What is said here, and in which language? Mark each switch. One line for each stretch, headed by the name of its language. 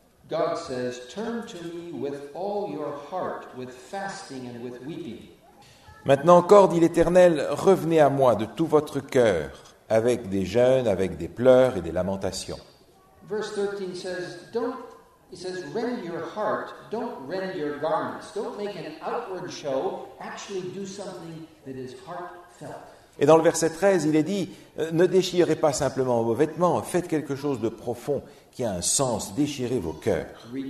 English: God says, turn to me with all your heart, with fasting and with weeping.
French: Maintenant encore, dit l'Éternel, revenez à moi de tout votre cœur, avec des jeûnes, avec des pleurs et des lamentations.
English: Verse 13 says, rend your heart, don't rend your garments, don't make an outward show, actually do something that is heartfelt.
French: Et dans le verset 13, il est dit, ne déchirez pas simplement vos vêtements, faites quelque chose de profond qui a un sens, déchirez vos cœurs.